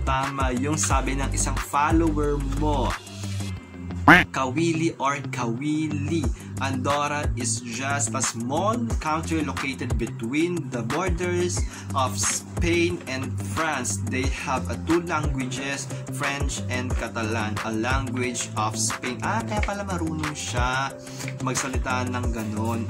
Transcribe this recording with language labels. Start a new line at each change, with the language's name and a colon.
Filipino: Tama yung sabi ng isang follower mo. Kawili or kawili.
English: Andorra is just a small country located between the borders of Spain and France. They have two languages, French and Catalan, a language of Spain.
Filipino: Ah, kaya pala marunong siya magsalita ng ganun.